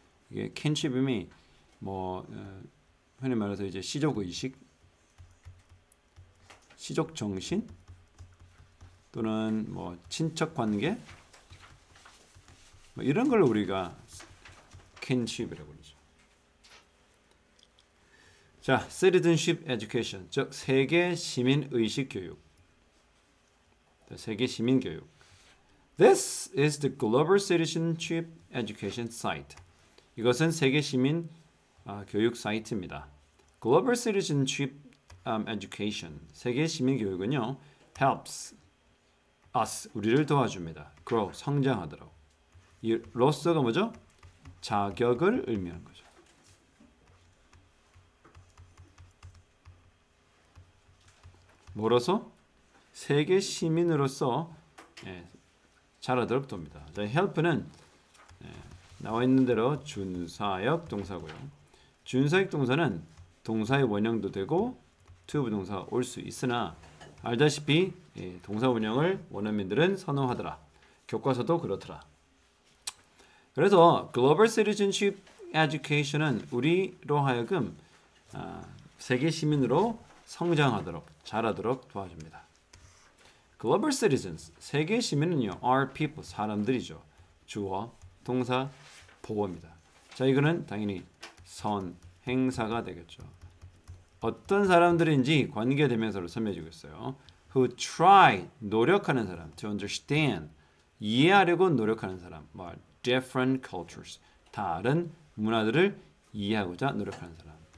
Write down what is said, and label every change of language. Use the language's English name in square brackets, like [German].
[Korean] 이게 kinship이 뭐 흔히 말해서 이제 씨족의식 씨족정신 또는 뭐 친척관계 뭐 이런 걸 우리가 kinship이라고 그러죠. 자, citizenship education, 즉 세계 시민 의식 교육. 세계 시민 교육. [English] This is the Global Citizenship Education Site. [Korean] 이것은 세계 시민 교육 사이트입니다. Global Citizenship education, 세계 시민 교육은요, [English] helps us, [Korean] 우리를 도와줍니다. grow, 성장하도록. 이 로서가 뭐죠? 자격을 의미하는 거죠. 뭐로서? 세계 시민으로서 자라도록 돕니다. 자, help는 나와 있는 대로 준사역 동사고요. 준사역 동사는 동사의 원형도 되고 to 부동사가 올수 있으나 알다시피 동사 원형을 원어민들은 선호하더라. 교과서도 그렇더라. 그래서 Global Citizenship Education은 우리로 하여금 세계 시민으로 성장하도록 자라도록 도와줍니다. Global Citizens, 세계 시민은요, [English] are people, [Korean] 사람들이죠. 주어, 동사, 보호입니다. 자, 이거는 당연히 선, 행사가 되겠죠. 어떤 사람들인지 관계 대명사로 설명해주고 있어요. [English] Who try, [Korean] 노력하는 사람, [English] to understand, [Korean] 이해하려고 노력하는 사람, 뭐, [English] different cultures, [Korean] 다른 문화들을 이해하고자 노력하는 사람.